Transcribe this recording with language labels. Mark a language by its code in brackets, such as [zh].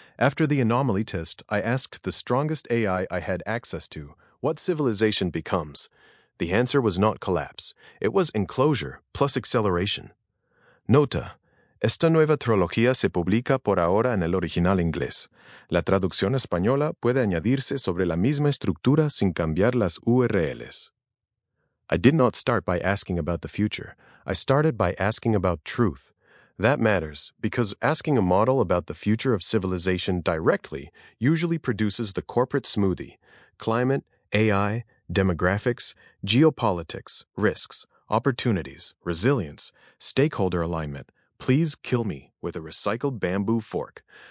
[en] After the anomaly test, I asked the strongest AI I had access to, what civilization becomes? The answer was not collapse. It was enclosure plus acceleration. [es] Nota. Esta nueva trilogía se publica por ahora en el original inglés. La traducción española puede añadirse sobre la misma estructura sin cambiar las URLs. [en] I did not start by asking about the future. I started by asking about truth. That matters, because asking a model about the future of civilization directly usually produces the corporate smoothie. Climate, AI, demographics, geopolitics, risks, opportunities, resilience, stakeholder alignment, please kill me with a recycled bamboo fork.